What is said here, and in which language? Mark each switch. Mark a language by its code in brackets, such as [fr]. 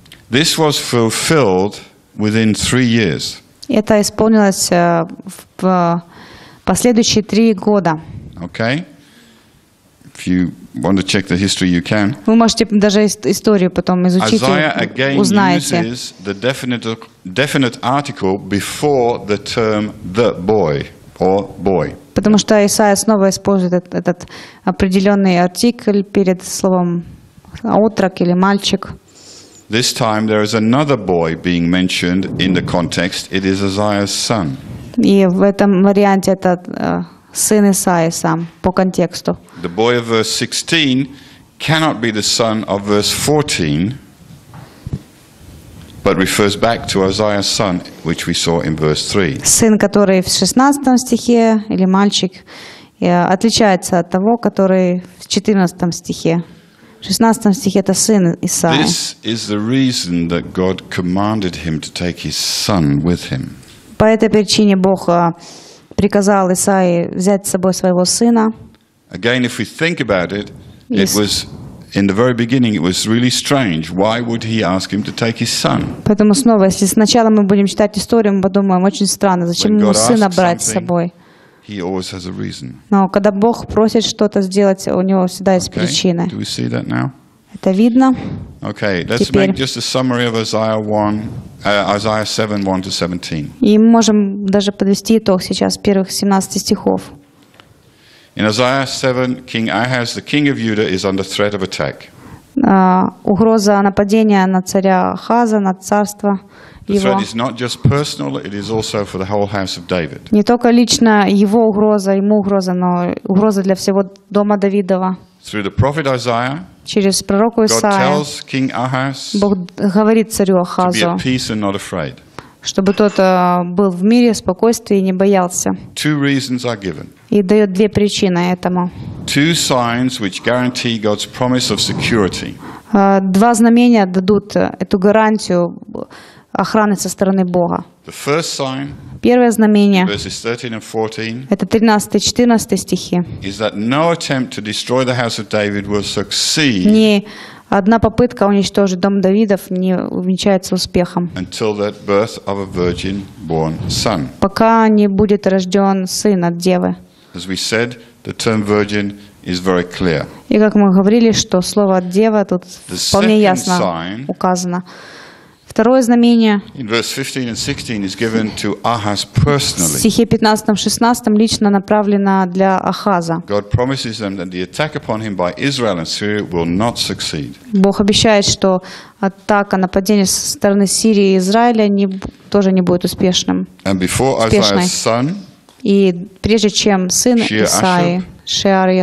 [en] This was fulfilled within 3 years. [ru] Это исполнилось в последующие 3 года. [en] Okay. If you want to check the history, you can. [ru] Вы можете даже историю потом изучить и узнаете. [en] Isaiah again uses the definite article before the term the boy or boy. [ru] Потому что Исаия снова использует этот определенный артикль перед словом отрок или мальчик. [en] This time there is another boy being mentioned in the context. It is Isaiah's son. [ru] И в этом варианте этот сын Исаии сам по контексту. [en] The boy of verse 16 cannot be the son of verse 14, but refers back to Isaiah's son, which we saw in verse 3. [ru] Сын, который в 16 стихе, или мальчик, отличается от того, который в 14 стихе. В 16 стихе это сын Исаии. [en] This is the reason that God commanded him to take his son with him. [ru] По этой причине Бог приказал Исаии взять с собой своего сына. [en] Again, if we think about it, it was in the very beginning. It was really strange. Why would he ask him to take his son? [ru] Поэтому снова, если сначала мы будем читать историю, мы подумаем, очень странно, зачем ему сына брать с собой? [en] He always has a reason. [ru] Но когда Бог просит что-то сделать, у него всегда есть причина. [en] Do we see that now? [ru] Это видно. [en] Okay, let's [ru] теперь [en] make just a summary of Isaiah 1, Isaiah 7, 1 to 17. [ru] И мы можем даже подвести итог сейчас первых 17 стихов. [en] In Isaiah 7, King Ahaz, the king of Judah, is under threat of attack. [ru] Угроза нападения на царя Ахаза, на царство его. [en] The threat is not just personal, it is also for the whole house of David. [ru] Не только лично его угроза, ему угроза, но угроза для всего дома Давидова. [en] Through the prophet Isaiah, [ru] через пророка Исаия, [en] God tells King Ahaz, [ru] Бог говорит царю Ахазу, [en] to be at peace and not afraid. [ru] Чтобы тот был в мире, в спокойствии и не боялся. [en] Two reasons are given. [ru] И дает две причины этому. [en] Two signs which guarantee God's promise of security. [ru] Два знамения дадут эту гарантию охраны со стороны Бога. [en] The first sign, [ru] первое знамение, [en] verses 13 and 14, [ru] это 13-14 стихи, [en] is that no attempt to destroy the house of David will succeed. [ru] Ни одна попытка уничтожить дом Давидов не увенчается успехом. [en] Until that birth of a virgin-born son. [ru] Пока не будет рожден сын от девы. [en] As we said, the term virgin is very clear. [ru] И как мы говорили, что слово от девы тут вполне ясно указано. Второе знамение. [en] In verse 15 and 16 is given to Ahaz personally. [ru] В стихе 15-16 лично направлено для Ахаза. [en] God promises them that the attack upon him by Israel and Syria will not succeed. [ru] Бог обещает, что атака, нападение со стороны Сирии и Израиля не, тоже не будет успешным. [en] And before Isaiah's son, [ru] и прежде чем сын Исаии, Шиар